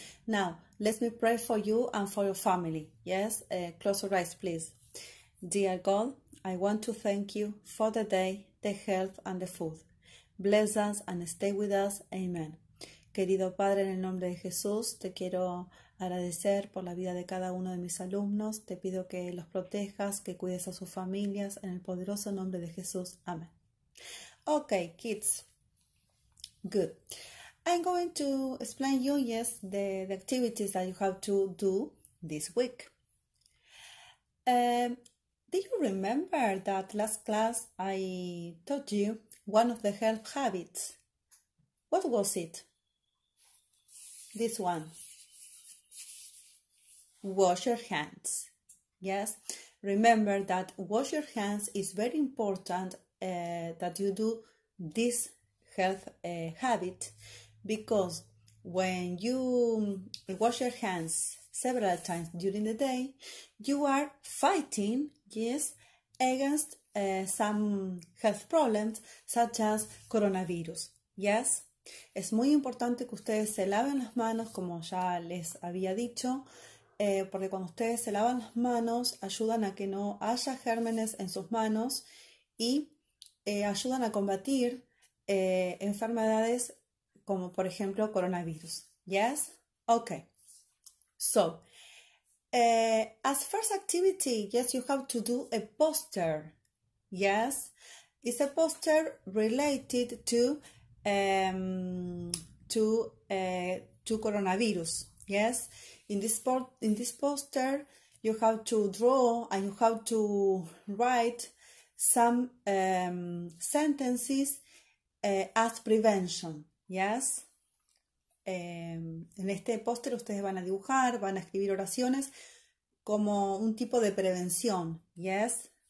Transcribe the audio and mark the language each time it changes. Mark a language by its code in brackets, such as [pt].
[en] Now, let me pray for you and for your family. Yes, close your eyes please. Dear God, I want to thank you for the day, the health and the food. Bless us and stay with us. Amen. [es] Querido Padre, en el nombre de Jesús, te quiero agradecer por la vida de cada uno de mis alumnos. Te pido que los protejas, que cuides a sus familias. En el poderoso nombre de Jesús. Amen. [en] Okay, kids. Good. I'm going to explain you, yes, the activities that you have to do this week. Do you remember that last class I taught you one of the health habits? What was it? This one. Wash your hands. Yes, remember that wash your hands is very important that you do this health habit, because when you wash your hands several times during the day, you are fighting, yes, against some health problems such as coronavirus. Yes, [es] es muy importante que ustedes se laven las manos, como ya les había dicho, porque cuando ustedes se lavan las manos ayudan a que no haya gérmenes en sus manos y ayudan a combatir enfermedades como, por ejemplo, coronavirus. [en] Yes? Okay. So, as first activity, yes, you have to do a poster. Yes? It's a poster related to coronavirus. Yes? In this poster, you have to draw and you have to write some sentences as prevention, yes? [es] En este póster ustedes van a dibujar, van a escribir oraciones como un tipo de prevención, [en] yes?